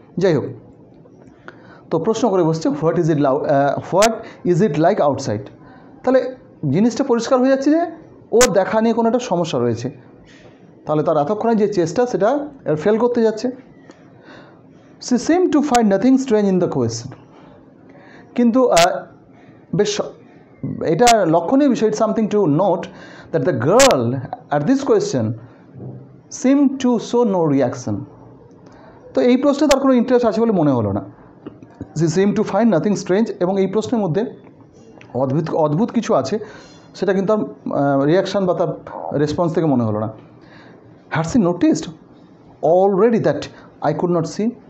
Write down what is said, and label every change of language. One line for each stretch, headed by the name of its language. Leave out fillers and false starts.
Bangla: যাই হোক, তো প্রশ্ন করে বসছে
English: what is it low what is it like outside,
Bangla: তাহলে জিনিসটা পরিষ্কার হয়ে যাচ্ছে যে ওর দেখা নিয়ে কোনো একটা সমস্যা রয়েছে, তাহলে তার এতক্ষণে যে চেষ্টা সেটা এর ফেল করতে যাচ্ছে।
English: she seem to find nothing strange in the question,
Bangla: কিন্তু বেশ এটা লক্ষণীয় বিষয়,
English: It something to note that the girl at this question seem to show no reaction.
Bangla: তো এই প্রশ্নে তার কোনো ইন্টারেস্ট আছে বলে মনে হলো না.
English: she seem to find nothing strange,
Bangla: এবং এই প্রশ্নের মধ্যে অদ্ভুত কিছু আছে সেটা কিন্তু তার রিয়াকশান বা তার রেসপন্স থেকে মনে হলো না.
English: Had she noticed already that I could not see.